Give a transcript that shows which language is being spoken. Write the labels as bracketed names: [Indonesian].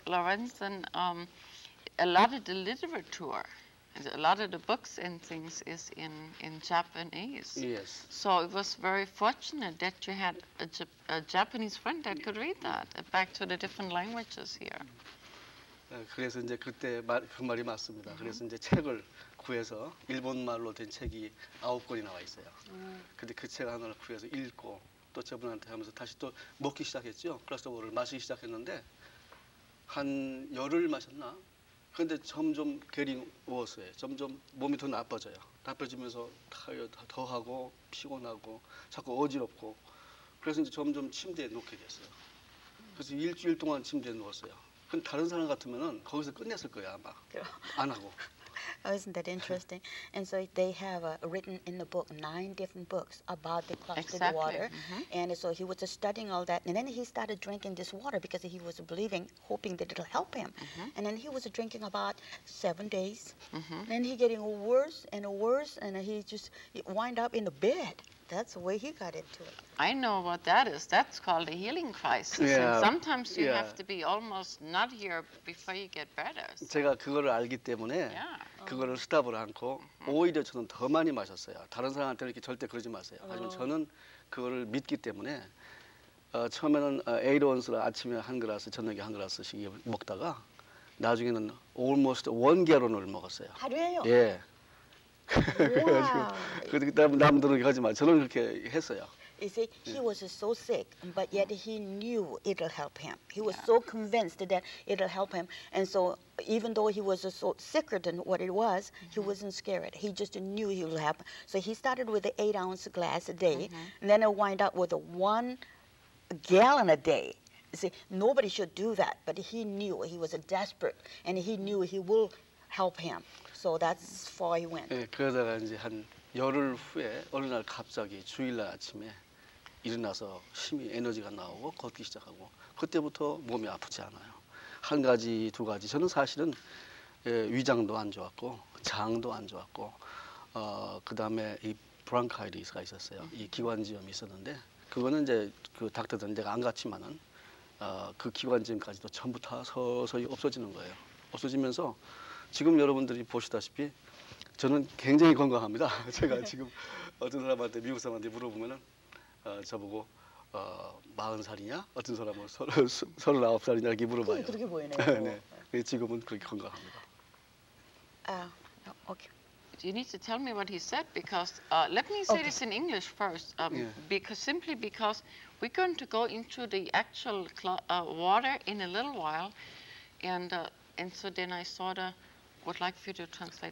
[English] Lorenzen, a lot of the literature, a lot of the books and things is in Japanese. Yes. So it was very fortunate that you had a Japanese friend that could read that, back to the different languages here. [Korean] 그래서 이제 그때 말, 그 말이 맞습니다. Mm-hmm. 그래서 이제 책을 구해서 일본 말로 된 책이 아홉 권이 나와 있어요. Mm-hmm. 근데 그 책 하나를 구해서 읽고 또 저분한테 하면서 다시 또 먹기 시작했죠. 클러스터볼을 마시기 시작했는데 한 열흘 마셨나? 그런데 점점 게링 워스에 점점 몸이 더 나빠져요. 나빠지면서 더 하고 피곤하고 자꾸 어지럽고 그래서 이제 점점 침대에 눕게 됐어요. 그래서 일주일 동안 침대에 누웠어요. 근데 다른 사람 같으면은 거기서 끝냈을 거야 아마 안 하고. [English] Oh, isn't that interesting? And so they have written in the book 9 different books about the clustered exactly. water. Mm-hmm. And so he was studying all that. And then he started drinking this water because he was believing, hoping that it'll help him. Mm-hmm. And then he was drinking about 7 days. Mm-hmm. And then he getting worse and worse, and he just wind up in the bed. That's the way he got into it. I know what that is. That's called a healing crisis. Yeah. And sometimes you yeah. have to be almost not here before you get better. So. [Korean] 제가 그거를 알기 때문에 [English] yeah. [Korean] 그거를 스탑을 않고 오히려 저는 더 많이 마셨어요. 다른 사람한테 이렇게 절대 그러지 마세요. 하지만 저는 그거를 믿기 때문에 처음에는 에이드 원스를 아침에 한 그라스, 저녁에 한 그라스씩 먹다가 나중에는 almost 1갤런을 먹었어요. 하루에요? 예. [English] Yeah. [Korean] 그래서 남들은 하지 마. 저는 그렇게 했어요. [English] You see, he was so sick, but yet he knew it'll help him. He was so convinced that it'll help him. And so even though he was so sicker than what it was, he wasn't scared. He just knew it would happen. So he started with the 8 ounce glass a day, and then it wind up with a 1 gallon a day. You see, nobody should do that, but he knew he was desperate, and he knew he will help him. So that's far he went. [Korean] 예, 그러다가 이제 한 열흘 후에 어느 날 갑자기 주일날 아침에 일어나서 힘이 에너지가 나오고 걷기 시작하고 그때부터 몸이 아프지 않아요. 한 가지 두 가지 저는 사실은 예, 위장도 안 좋았고 장도 안 좋았고 그 다음에 이 브랑카이티스가 있었어요. 이 기관지염이 있었는데 그거는 이제 그 닥터들은 내가 안 갔지만은 그 기관지염까지도 전부 다 서서히 없어지는 거예요. 없어지면서 지금 여러분들이 보시다시피 저는 굉장히 건강합니다. 제가 지금 어떤 사람한테 미국 사람한테 물어보면은 저보고 40살이냐 어떤 사람은 39살이냐 이렇게 물어봐요. 그렇게 보이네요. 네, 지금은 그렇게 건강합니다. [English] Okay. You need to tell me what he said because let me say this in English first. Because simply because we're going to go into the actual water in a little while, and so then I sort of. Would like for you to translate.